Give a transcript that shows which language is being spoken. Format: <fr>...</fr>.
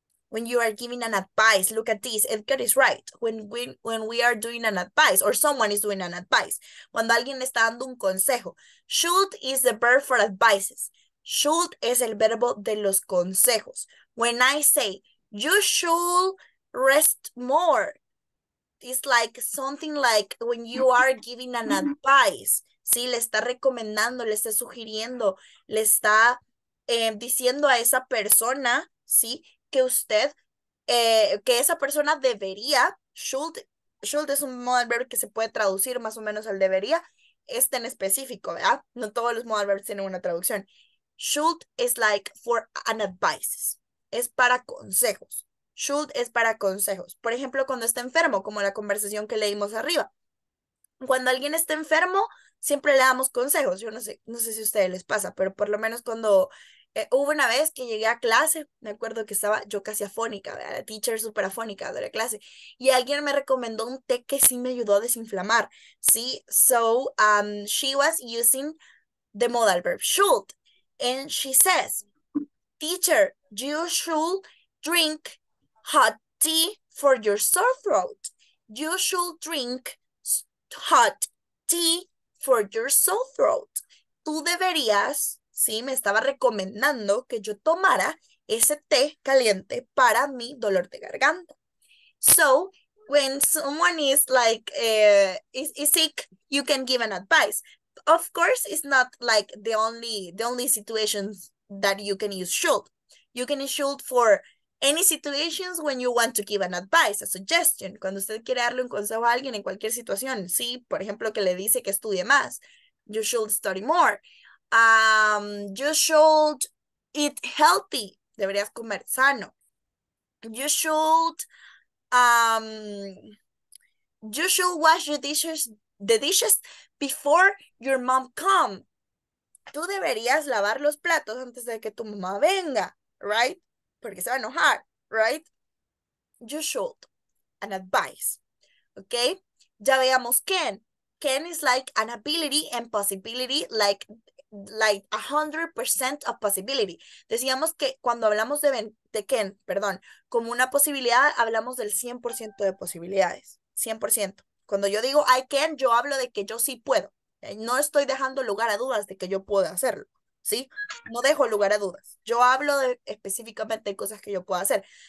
<en>When you are giving an advice, look at this. Edgar is right. When we are doing an advice, or someone is doing an advice,</en> <es>cuando alguien está dando un consejo,</es> <en>should is the verb for advices.</en> <es>Should es el verbo de los consejos.</es> <en>When I say, you should rest more, it's like something like when you are giving an advice.</en> <es>Sí, le está recomendando, le está sugiriendo, le está diciendo a esa persona, sí, que usted, que esa persona debería, should es un modal verb que se puede traducir más o menos al debería, este en específico, ¿verdad? No todos los modal verbs tienen una traducción.</es> <en>Should is like for an advice,</en> <es>es para consejos. Should es para consejos. Por ejemplo, cuando está enfermo, como la conversación que leímos arriba. Cuando alguien está enfermo, siempre le damos consejos. Yo no sé si a ustedes les pasa, pero por lo menos cuando... hubo una vez que llegué a clase, me acuerdo que estaba yo casi afónica, ¿verdad? La teacher super afónica de la clase, y alguien me recomendó un té que sí me ayudó a desinflamar, ¿sí?</es> <en>So, she was using the modal verb should, and she says, teacher, you should drink hot tea for your sore throat. You should drink hot tea for your sore throat.</en> <es>Tú deberías... Sí, me estaba recomendando que yo tomara ese té caliente para mi dolor de garganta.</es> <en>So, when someone is like, is sick, you can give an advice. of course, it's not like the only situations that you can use should. You can use should for any situations when you want to give an advice, a suggestion.</en> <es>Cuando usted quiere darle un consejo a alguien en cualquier situación, sí, por ejemplo, que le dice que estudie más,</es> <en>you should study more. You should eat healthy.</en> <es>Deberías comer sano.</es> <en>You should wash your dishes, the dishes before your mom come.</en> <es>Tú deberías lavar los platos antes de que tu mamá venga, right? Porque se va a enojar, right?</es> <en>You should, an advice, okay?</en> <es>Ya veamos can.</es> <en>Can is like an ability and possibility, like 100% of possibility.</en> <es>Decíamos que cuando hablamos de can, como una posibilidad, hablamos del 100% de posibilidades, 100%. Cuando yo digo I can, yo hablo de que yo sí puedo. No estoy dejando lugar a dudas de que yo pueda hacerlo, ¿sí? No dejo lugar a dudas. Yo hablo de específicamente de cosas que yo puedo hacer.</es>